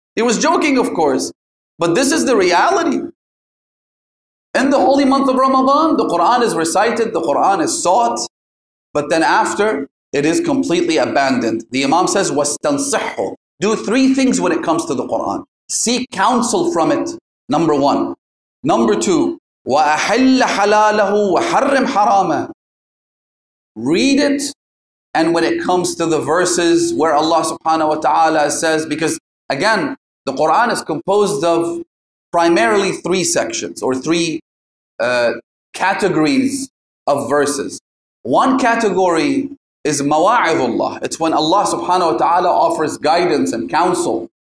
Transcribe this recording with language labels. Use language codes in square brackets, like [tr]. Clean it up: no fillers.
[en] He was joking, of course, but this is the reality. In the holy month of Ramadan, the Quran is recited, the Quran is sought, but then after, it is completely abandoned. The Imam says, [ar] وَاسْتَنْصِحُ. [en] Do three things when it comes to the Quran. Seek counsel from it, number one. Number two, [ar] وَأَحِلَّ حَلَالَهُ وَحَرِّمْ حَرَامَهُ. [en] Read it, and when it comes to the verses where Allah subhanahu wa ta'ala says, because again, the Quran is composed of primarily three sections or three categories of verses. One category is mawa'idullah. It's when Allah subhanahu wa ta'ala offers guidance and counsel.